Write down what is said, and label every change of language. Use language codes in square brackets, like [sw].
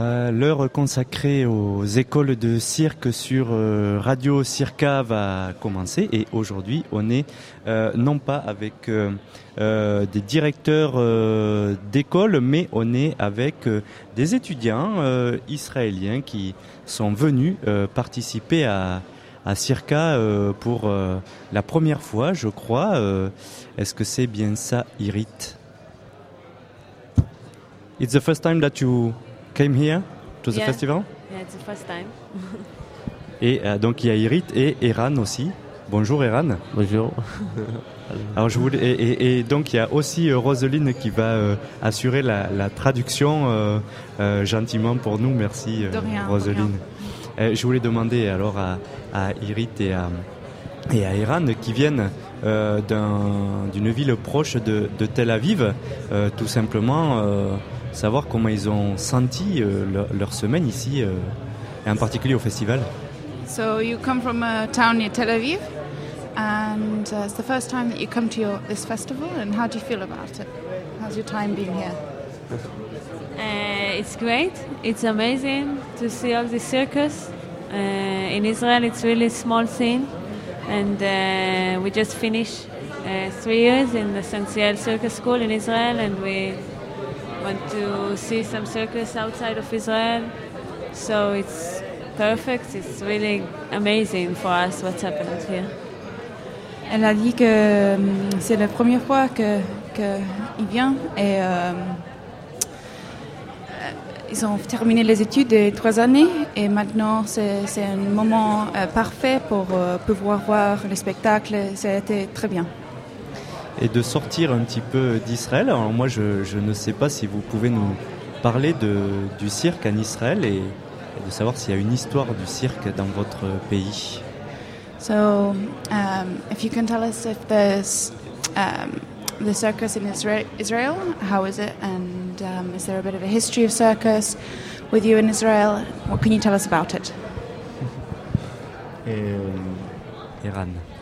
[fr] L'heure consacrée aux écoles de cirque sur Radio Circa va commencer et aujourd'hui on est non pas avec des directeurs d'école mais on est avec des étudiants israéliens qui sont venus participer à Circa pour la première fois je crois. Est-ce que c'est bien ça, Irit? [en] It's the first time that you came here? To the festival? Yeah, it's the first time. [fr] Et donc il y a Irit et Eran aussi. Bonjour Eran. Bonjour. Alors je voulais et donc il y a aussi Roselyne qui va assurer la traduction gentiment pour nous. Merci Roselyne. Je voulais demander alors à Irit et à Eran qui viennent d'une ville proche de Tel Aviv, tout simplement. Savoir comment ils ont senti leur semaine ici, et en particulier au festival. [en] So you come from a town near Tel Aviv, and it's the first time that you come to this festival. And how do you feel about it? How's your time been here? It's great. It's amazing to see all the circus. In Israel, it's really a small scene, and we just finished 3 years in the Sanciel Circus School in Israel, and we want to see some circus outside of Israel, so it's perfect. It's really amazing for us what's happened here. [fr] Elle a dit que c'est la première fois qu'il vient et ils ont terminé les études de 3 années et maintenant c'est un moment parfait pour pouvoir voir le spectacle. Ça a été très bien. Et de sortir un petit peu d'Israël. Alors moi, je ne sais pas si vous pouvez nous parler du cirque en Israël et de savoir s'il y a une histoire du cirque dans votre pays. [en] So, if you can tell us if there's the circus in Israel, how is it, and is there a bit of a history of circus with you in Israel? What can you tell us about it? Eran.